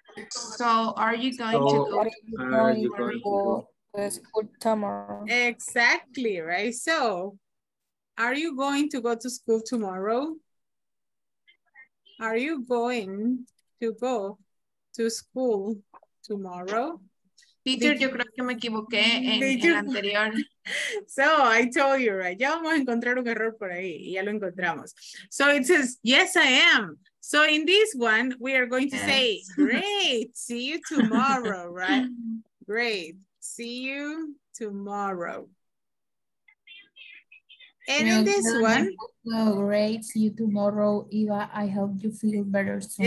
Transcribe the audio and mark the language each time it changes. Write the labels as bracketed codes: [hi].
[en] So are you going to go to school tomorrow? Exactly, right? So are you going to go to school tomorrow? Are you going to go to school tomorrow? [es] Peter, yo creo que me equivoqué en el anterior. [en] So, I told you, right? [es] Ya vamos a encontrar un error por ahí. Ya lo encontramos. [en] So, it says, yes, I am. So, in this one, we are going to say, great, see you tomorrow, right? Great, see you tomorrow. And in this one. Well, great, see you tomorrow, Eva. I hope you feel better soon.